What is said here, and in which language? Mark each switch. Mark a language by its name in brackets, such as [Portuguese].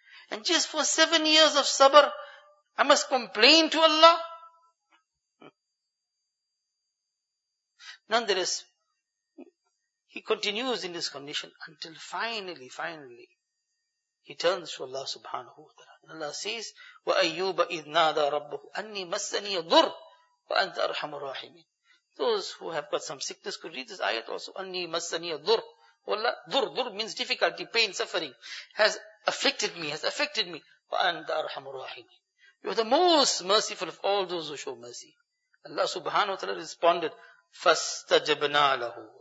[English] And just for 7 years of sabr, I must complain to Allah. Nonetheless, he continues in this condition until finally, he turns to Allah subhanahu wa ta'ala. And Allah says, [Arabic] وَأَيُّوبَ إِذْ نَادَى رَبُّهُ أَنِّي مَسَّنِيَ ضُرْ وَأَنْتَ أَرْحَمُ الرَّاحِمِينَ. [English] Those who have got some sickness could read this ayat also. [Arabic] Anni masaniya dur. [English] Wallah, dur means difficulty, pain, suffering. Has affected me. [Arabic] Wa anta arhamur rahimin. [English] You are the most merciful of all those who show mercy. Allah subhanahu wa ta'ala responded, [Arabic] fastajabna lahu.